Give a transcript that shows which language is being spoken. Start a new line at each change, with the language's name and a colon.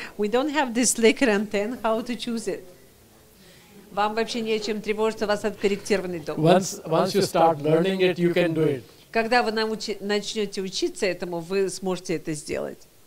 English: We don't have this liquid antenna, how to choose it?
Russian: Вам вообще не о чем тревожиться, у вас откорректированный дом.
English: Once you start learning it, you can do it.
Russian: Когда вы начнете учиться этому, вы сможете это сделать.